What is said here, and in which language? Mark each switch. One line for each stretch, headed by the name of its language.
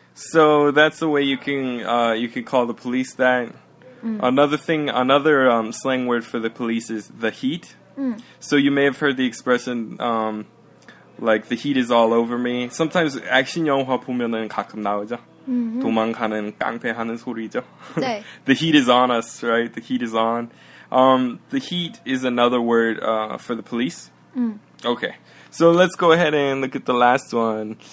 English: So that's the way you can call the police that. Another thing, another slang word for the police is the heat. So you may have heard the expression, like, the heat is all over me.
Korean: Sometimes action 영화 보면은 가끔 나오죠. 도망가는 깡패 하는 소리죠. 네.
English: The heat is on us, right? The heat is on. The heat is another word for the police. Okay, so let's go ahead and look at the last one.